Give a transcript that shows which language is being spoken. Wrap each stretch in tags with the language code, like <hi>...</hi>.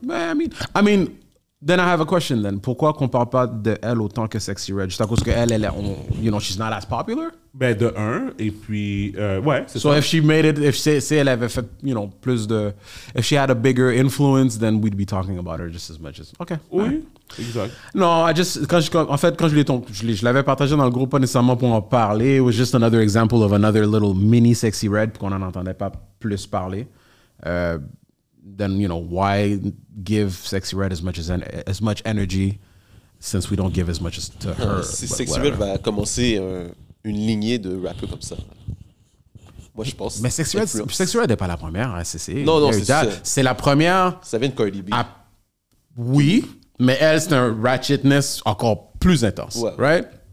<en>I mean, then I have a question then.</en> <fr>Pourquoi qu'on parle pas d'elle autant que Sexy Red? Juste à cause qu'elle,</fr> <en>you know, she's not as popular?</en> <fr>Ben, de un, et puis, ouais. C'est so ça.</fr> <en>If she made it,</en> <fr>say elle avait fait,</fr> <en>you know,</en> <fr>plus de,</fr> <en>if she had a bigger influence, then we'd be talking about her just as much as, okay.</en> <fr>Oui,</fr> <en>right.</en> <fr>Exact. Non, je l'avais partagé dans le groupe, pas nécessairement pour en parler,</fr> <en>it was just another example of another little mini</en> <fr>Sexy Red, qu'on en entendait pas plus parler.</fr> <en>Then, you know, why give Sexy Red as much energy since we don't give as much as to her?</en> <fr>Si Sexy Red va commencer une lignée de rappeurs comme ça, moi je pense. Mais Sexy Red n'est pas la première, hein, c'est. Non, c'est ça. C'est la première. Ça vient de Cardi B. Oui, mais elle, c'est un ratchetness encore plus intense, ouais.</fr> <en>Right?</en>